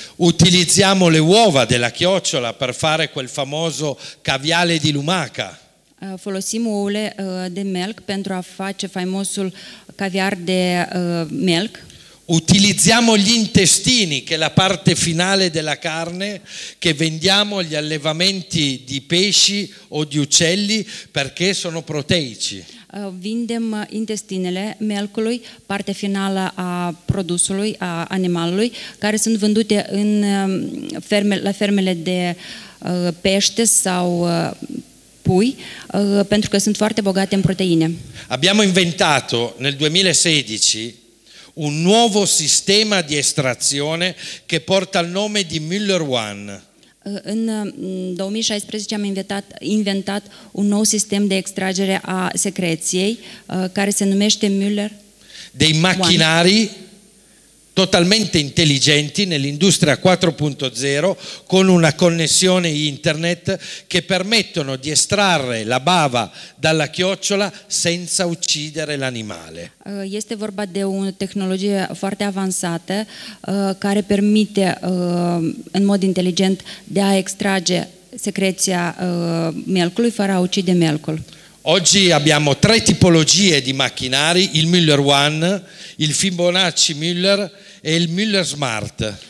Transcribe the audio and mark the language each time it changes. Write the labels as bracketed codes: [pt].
[it] Utilizziamo le uova della chiocciola per fare quel famoso caviale di lumaca. [ro] Folosim ouăle de melc pentru a face faimosul caviar de melc. [it] Utilizziamo gli intestini, che è la parte finale della carne, che vendiamo agli allevamenti di pesci o di uccelli perché sono proteici. [ro] Vindem intestinele melcului, parte finală a produsului, a animalului, care sunt vândute în ferme, la fermele de pește sau pui, pentru că sunt foarte bogate în proteine. [it] Abbiamo inventato nel 2016 un nuovo sistema di estrazione che porta il nome di Müller One. [ro] În 2016 am inventat un nou sistem de extragere a secreției care se numește Müller One. [it] Dei macchinari totalmente intelligenti nell'industria 4.0 con una connessione internet che permettono di estrarre la bava dalla chiocciola senza uccidere l'animale. [ro] Este vorba de o tehnologie foarte avansată care permite în mod inteligent de a extrage secreția melcului fără a ucide melcul. [it] Oggi abbiamo tre tipologie di macchinari, il Müller One, il Fibonacci Müller e il Müller Smart.